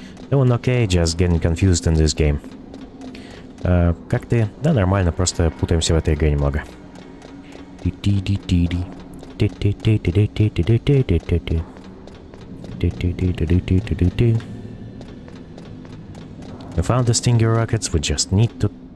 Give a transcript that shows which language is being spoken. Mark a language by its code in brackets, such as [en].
[en] Doing okay, just getting confused in this game. [ru] Как ты? Да, нормально, просто путаемся в этой игре немного. [en] We found the Stinger rockets, we just need to...